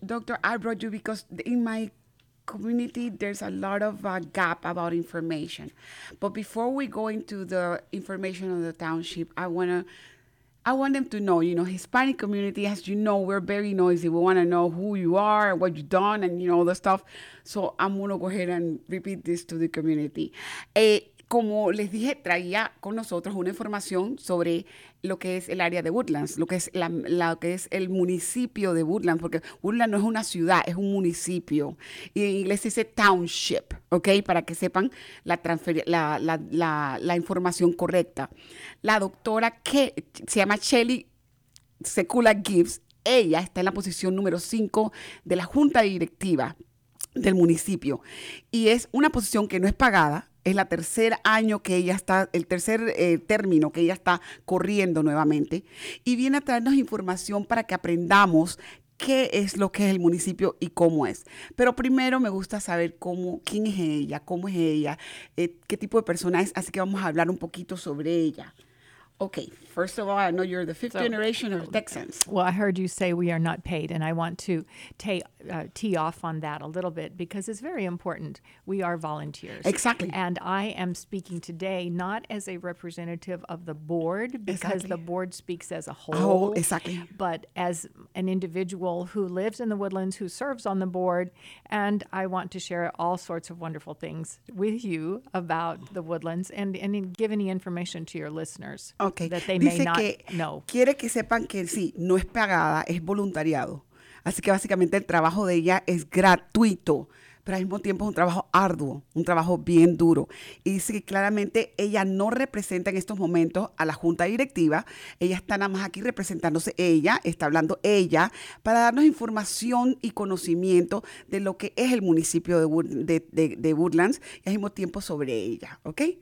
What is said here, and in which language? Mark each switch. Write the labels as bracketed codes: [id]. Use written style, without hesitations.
[en] Doctor, I brought you because in my community, there's a lot of gap about information. But before we go into the information of the township, I want them to know, you know, Hispanic community, as you know, we're very noisy. We want to know who you are, what you've done, and, you know, all the stuff. So I'm going to go ahead and repeat this to the community. [es] Como les dije, traía con nosotros una información sobre lo que es el área de Woodlands, lo que es el municipio de Woodlands, porque Woodlands no es una ciudad, es un municipio. Y en inglés se dice township, ¿ok? Para que sepan la información correcta. La doctora que se llama Shelly Sekula Gibbs, ella está en la posición número 5 de la junta directiva del municipio. Y es una posición que no es pagada. Es la tercer año que ella está, el tercer término que ella está corriendo nuevamente. Y viene a traernos información para que aprendamos qué es lo que es el municipio y cómo es. Pero primero me gusta saber cómo es ella, qué tipo de persona es. Así que vamos a hablar un poquito sobre ella. [en] Okay. First of all, I know you're the fifth generation of Texans. Well, I heard you say we are not paid, and I want to tee off on that a little bit because it's very important. We are volunteers. Exactly. And I am speaking today not as a representative of the board because the board speaks as a whole. But as an individual who lives in the Woodlands, who serves on the board, and I want to share all sorts of wonderful things with you about the Woodlands and give any information to your listeners that they [es] dice [en] may not [es] que [en] know. [es] Quiere que sepan que sí, no es pagada, es voluntariado. Así que básicamente el trabajo de ella es gratuito, pero al mismo tiempo es un trabajo arduo, un trabajo bien duro. Y dice que claramente ella no representa en estos momentos a la junta directiva. Ella está nada más aquí representándose ella, está hablando ella, para darnos información y conocimiento de lo que es el municipio de Woodlands y al mismo tiempo sobre ella, ¿ok?